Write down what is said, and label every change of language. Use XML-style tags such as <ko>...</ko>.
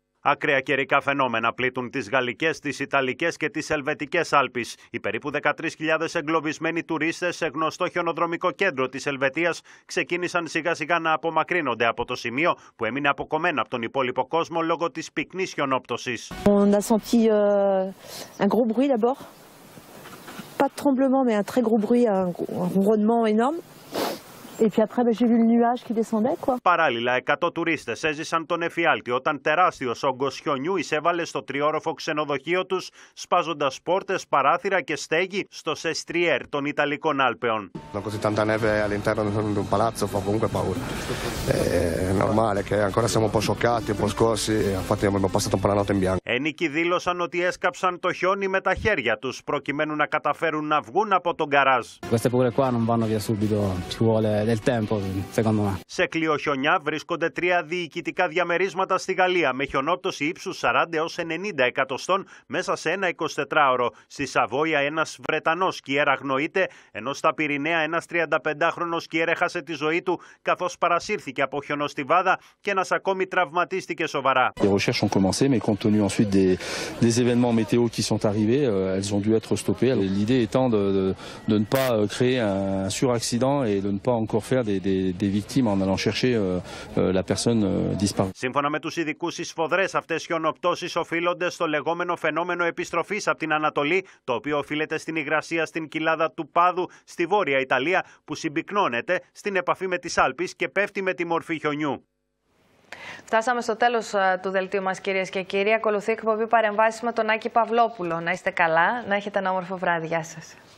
<el>Ακραία καιρικά φαινόμενα πλήττουν τις γαλλικές, τις ιταλικές και τις ελβετικές Άλπεις. Οι περίπου 13.000 εγκλωβισμένοι τουρίστες σε γνωστό χιονοδρομικό κέντρο της Ελβετίας ξεκίνησαν σιγά σιγά να απομακρύνονται από το σημείο που έμεινε αποκομμένο από τον υπόλοιπο κόσμο λόγω της πυκνής χιονόπτωσης.</el> <fr>On a senti un gros bruit d'abord. Pas de tremblement, mais un très gros bruit, un ronronnement énorme.</fr> <el>Παράλληλα, 100 τουρίστες έζησαν τον εφιάλτη όταν τεράστιος όγκος χιονιού εισέβαλε στο τριώροφο ξενοδοχείο τους, σπάζοντας πόρτες, παράθυρα και στέγη στο Σεστριέρ των Ιταλικών Άλπεων. Ενίκοι δήλωσαν ότι έσκαψαν το χιόνι με τα χέρια τους, προκειμένου να καταφέρουν να βγουν από τον γκαράζ. Σε κλειοχιονιά βρίσκονται 3 διοικητικά διαμερίσματα στη Γαλλία με χιονόπτωση ύψους 40 έως 90 εκατοστών μέσα σε ένα 24ωρο. Στη Σαβόια ένας Βρετανός σκιέρ αγνοείται, ενώ στα Πυρηναία ένας 35χρονος σκιέρ έχασε τη ζωή του καθώς παρασύρθηκε από χιονοστιβάδα και ένας ακόμη τραυματίστηκε σοβαρά.</el> <fr>Les recherches ont commencé, mais compte tenu ensuite des événements météo qui sont arrivés, elles ont dû être stoppées. L'idée étant de ne pas créer un suraccident et de ne pas encore faire des victimes en allant chercher la personne disparue.</fr> <el>Σύμφωνα με τους ειδικούς, οι σφοδρές αυτές χιονοπτώσεις οφείλονται στο λεγόμενο φαινόμενο επιστροφής από την Ανατολή, το οποίο οφείλεται στην υγρασία στην κοιλάδα του Πάδου στη Βόρεια Ιταλία, που συμπυκνώνεται στην επαφή με τις Άλπεις και πέφτει με τη μορφή χιονιού. Φτάσαμε στο τέλος του δελτίου μας, κυρίες και κύριοι. Ακολουθεί εκπομπή παρεμβάσεις με τον Άκη Παυλόπουλο. Να είστε καλά, να έχετε ένα όμορφο βράδυ. Γεια σας.</el>